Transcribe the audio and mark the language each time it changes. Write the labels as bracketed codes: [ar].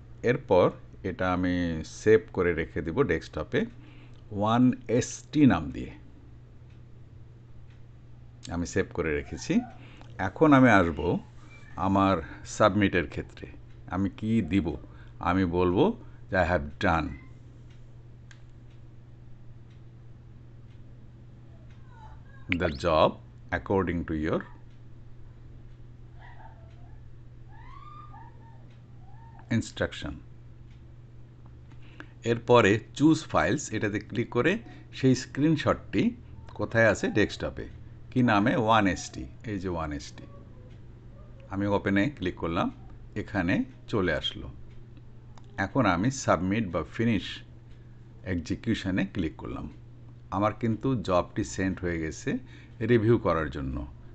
[bn] এরপর এটা আমি সেভ করে রেখে দিব ডেস্কটপে 1ST নাম দিয়ে, আমি সেভ করে রেখেছি। এখন আমি আসব আমার সাবমিটের ক্ষেত্রে, আমি কি দিব, আমি বলবো যে [en] I have done. The job according to your instruction. [bn] এরপরে চুজ ফাইলস, এটাতে ক্লিক করে সেই স্ক্রিনশটটি কোথায় আছে ডেস্কটপে, কী নামে, 1ST, এই যে 1ST, আমি ওপেনে ক্লিক করলাম, এখানে চলে আসলো। এখন আমি সাবমিট বা ফিনিশ এক্সিকিউশনে ক্লিক করলাম, আমার কিন্তু জবটি সেন্ড হয়ে গেছে রিভিউ করার জন্য।